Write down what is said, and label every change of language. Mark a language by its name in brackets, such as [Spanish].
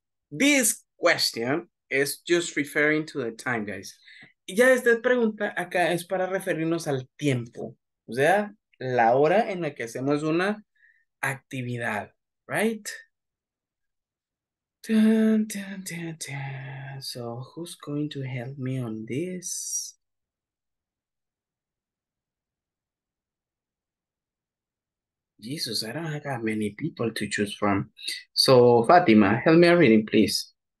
[English] This question is just referring to the time, guys. [Spanish] Ya esta pregunta acá es para referirnos al tiempo, o sea, la hora en la que hacemos una actividad, right? [English] So, who's going to help me on this? Jesus, I don't have many people to choose from. So, Fátima, help me a reading, please.